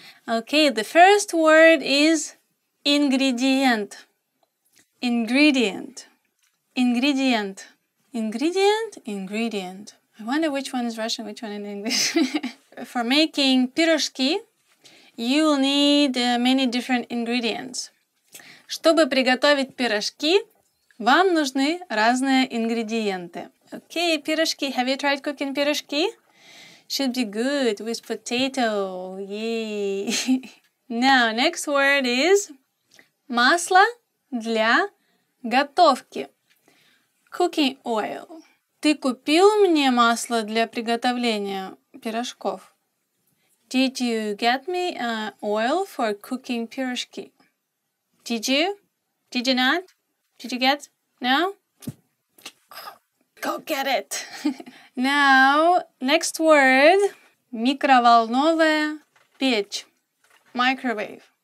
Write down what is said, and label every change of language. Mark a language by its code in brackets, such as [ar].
[en] Okay, the first word is ingredient. Ingredient. Ingredient. Ingredient? Ingredient. I wonder which one is Russian, which one in English. For making пирожки, you will need many different ingredients. [ru] Чтобы приготовить пирожки, вам нужны разные ингредиенты. [en] Okay, пирожки. Have you tried cooking пирожки? Should be good with potato. Yay! Now, next word is [ru] масло для готовки. [en] Cooking oil. [ru] Ты купил мне масло для приготовления пирожков? [en] Did you get me oil for cooking пирожки? Did you? Did you not? Did you get? No? go get it. Now, next word. [ru] Микроволновая печь. [en] Microwave.